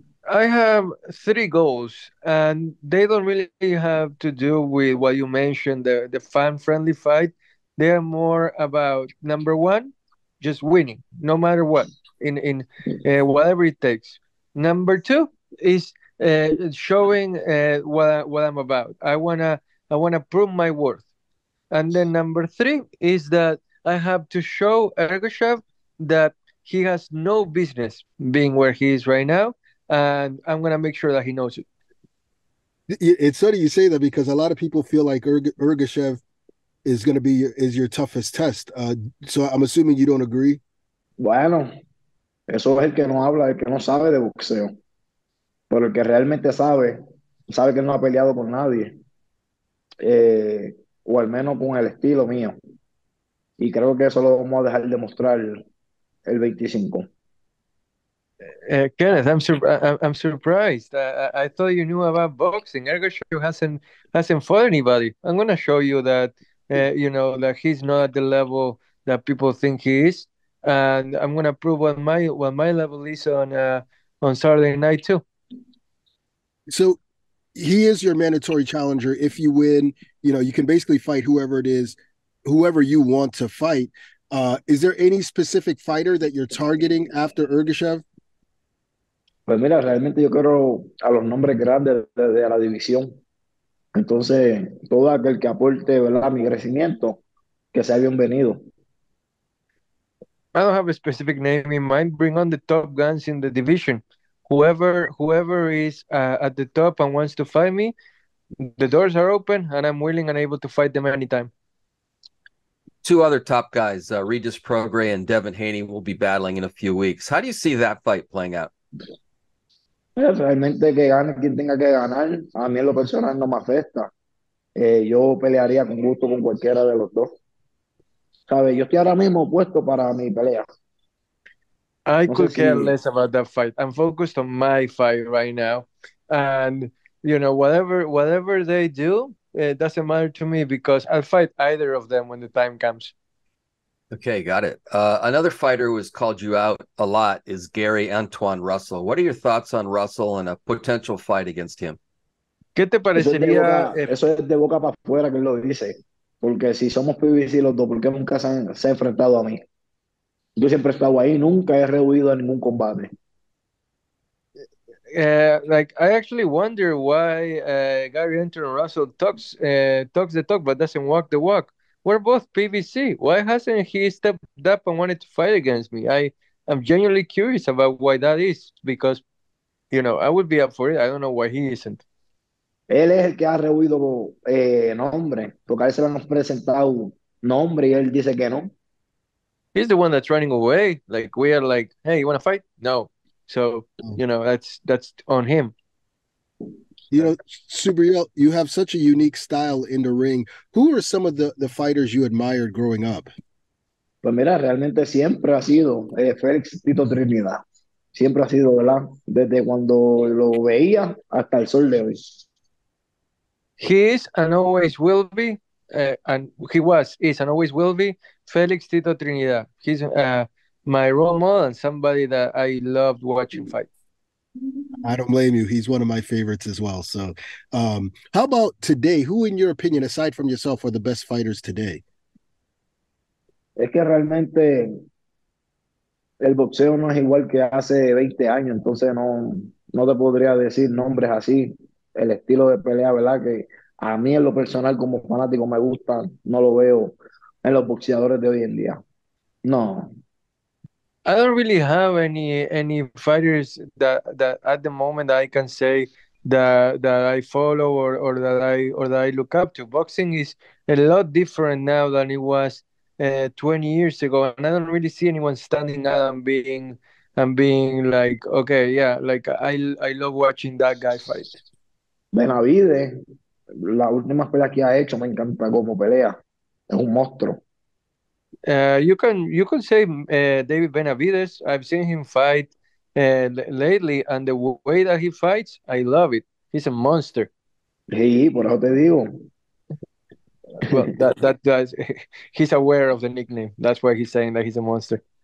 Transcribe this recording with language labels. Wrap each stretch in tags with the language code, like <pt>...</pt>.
<en>I have three goals, and they don't really have to do with what you mentioned, the fan-friendly fight. They are more about, number one, just winning, no matter what, in whatever it takes. Number two is showing what I'm about. I wanna prove my worth. And then number three is that I have to show Ergashev that he has no business being where he is right now, and I'm going to make sure that he knows it. It's funny you say that, because a lot of people feel like Ergashev is going to be your toughest test. So I'm assuming you don't agree.</en> <es>Bueno, eso es el que no habla, el que no sabe de boxeo. Pero el que realmente sabe que él no ha peleado con nadie. O al menos con el estilo mío. Y creo que eso lo vamos a dejar demostrar el 25.</es> <en>Kenneth, I'm surprised. I thought you knew about boxing. Ergashev hasn't fought anybody. I'm going to show you that you know, that he's not at the level that people think he is. And I'm going to prove what my level is on Saturday night too. So he is your mandatory challenger. If you win, you know, you can basically fight whoever it is, whoever you want to fight. Is there any specific fighter that you're targeting after Ergashev?</en> <es>Pues mira, realmente yo quiero a los nombres grandes de la división. Entonces, todo aquel que aporte, ¿verdad?, mi crecimiento, que sea bienvenido.</es> <en>I don't have a specific name in mind. Bring on the top guns in the division. Whoever is at the top and wants to fight me, the doors are open and I'm willing and able to fight them anytime. Two other top guys, Regis Progre and Devin Haney, will be battling in a few weeks. How do you see that fight playing out?</en> <es>Pues realmente que gane quien tenga que ganar, a mí en lo personal no me afecta. Yo pelearía con gusto con cualquiera de los dos. ¿Sabe? Yo estoy ahora mismo puesto para mi pelea.</es> <en>I no could care less about that fight. I'm focused on my fight right now. And, you know, whatever they do, it doesn't matter to me because I'll fight either of them when the time comes. Okay, got it. Another fighter who has called you out a lot is Gary Antoine Russell. What are your thoughts on Russell and a potential fight against him?</en> <es>¿Qué te parecería? Eso es de boca para afuera que lo dice. Porque si somos PBC los dos, ¿por qué nunca se ha enfrentado a mí? Yo siempre he estado ahí, nunca he rehuido a ningún combate.</es> <en>Like, I actually wonder why Gary Antoine Russell talks the talk but doesn't walk the walk. We're both PVC. Why hasn't he stepped up and wanted to fight against me? I'm genuinely curious about why that is, because, you know, I would be up for it. I don't know why he isn't.</en> <es>Él es el que ha rehuido nombre, porque a él se le han presentado nombre y él dice que no.</es> <en>He's the one that's running away. Like, we are like, hey, you want to fight? No. So, you know, that's on him. You know, Subriel, you have such a unique style in the ring. Who are some of the fighters you admired growing up?</en> <es>Pues mira, realmente siempre ha sido Félix Tito Trinidad. Siempre ha sido, ¿verdad? Desde cuando lo veía hasta el sol de hoy.</es> <en>He is and always will be, and he was, is and always will be, Félix Tito Trinidad. He's my role model and somebody that I loved watching fight. I don't blame you. He's one of my favorites as well. So how about today? Who, in your opinion, aside from yourself, are the best fighters today?</en> <es>Es que realmente el boxeo no es igual que hace 20 años. Entonces no te podría decir nombres así. El estilo de pelea, ¿verdad? Que a mí en lo personal como fanático me gusta. No lo veo en los boxeadores de hoy en día. No.</es> <en>I don't really have any fighters that at the moment I can say that I follow or that I look up to. Boxing is a lot different now than it was 20 years ago, and I don't really see anyone standing out and being like, okay, yeah, like I love watching that guy fight.</en> <es>Benavidez, la última pelea que ha hecho me encanta como pelea, es un monstruo.</es> <en>You can say David Benavidez. I've seen him fight lately, and the way that he fights, I love it. He's a monster.</en> <es>Sí, por eso te digo.</es> <en>Well, that guy's, he's aware of the nickname. That's why he's saying that he's a monster.</en>